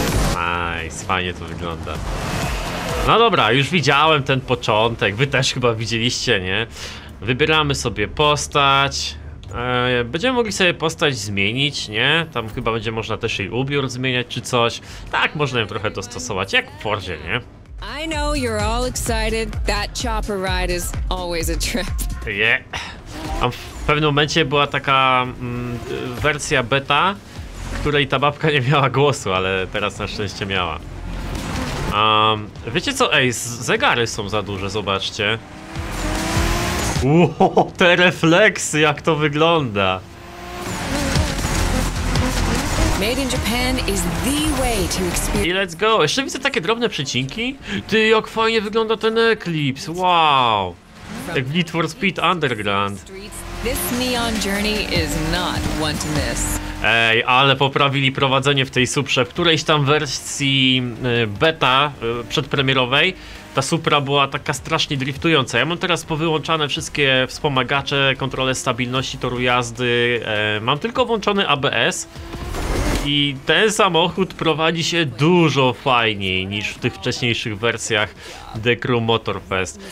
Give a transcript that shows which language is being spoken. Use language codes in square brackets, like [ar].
[pl] Nice, fajnie to wygląda. No dobra, już widziałem ten początek. Wy też chyba widzieliście, nie? Wybieramy sobie postać. Będziemy mogli sobie postać zmienić, nie? Tam chyba będzie można też jej ubiór zmieniać czy coś. Tak, można ją trochę dostosować, jak w Fordzie, nie? [en] I know you're all excited. That chopper ride is always a trip. [pl] Yeah. A w pewnym momencie była taka wersja beta, której ta babka nie miała głosu, ale teraz na szczęście miała. Wiecie co? Ej, zegary są za duże, zobaczcie. Ło, te refleksy, jak to wygląda. [en] Made in Japan is the way to experience. I let's go. [pl] Jeszcze widzę takie drobne przecinki. Ty, jak fajnie wygląda ten eklips. Wow. Jak w Need for Speed Underground. [en] This neon journey is not one to miss. [pl] Ej, ale poprawili prowadzenie w tej Suprze. W którejś tam wersji beta przedpremierowej ta Supra była taka strasznie driftująca. Ja mam teraz powyłączane wszystkie wspomagacze, kontrolę stabilności toru jazdy. Mam tylko włączony ABS. I ten samochód prowadzi się dużo fajniej niż w tych wcześniejszych wersjach The Crew Motorfest.